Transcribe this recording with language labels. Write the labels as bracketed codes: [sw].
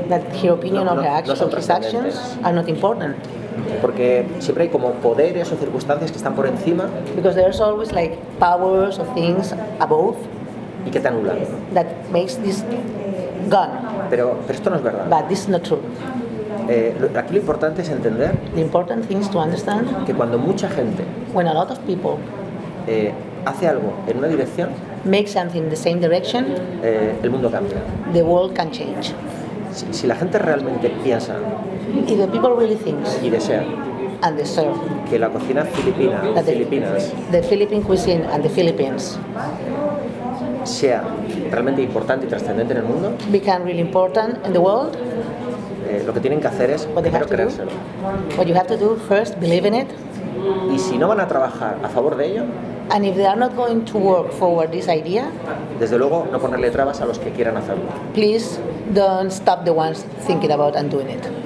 [en] that her opinion or her actions, no, no, no, his actions are not important. [es] Porque siempre hay como poderes o circunstancias que están por encima. [en] Because there's always like powers or things above. [es] Y que te anulan. [en] That makes this gone. [es] Pero esto no es verdad. [en] But this is not true. [es] Aquí lo importante es entender. [en] The important thing is to understand. [es] Que cuando mucha gente. [en] When a lot of people. [es] Hace algo en una dirección. [en] Make something in the same direction. [es] El mundo cambia. [en] The world can change. [es] Si la gente realmente piensa. [en] If the people really think [es] y desea, [en] and deserve [es] que la cocina filipina, filipinas, [en] the Philippine cuisine and the Philippines [es] sea realmente importante y trascendente en el mundo, [en] become really important in the world, [es] lo que tienen que hacer es primero creérselo. [en] What you have to do first, believe in it. [es] Y si no van a trabajar a favor de ello, [en] and if they are not going to work forward this idea, [es] desde luego no ponerle trabas a los que quieran hacerlo. [en] Please don't stop the ones thinking about and doing it.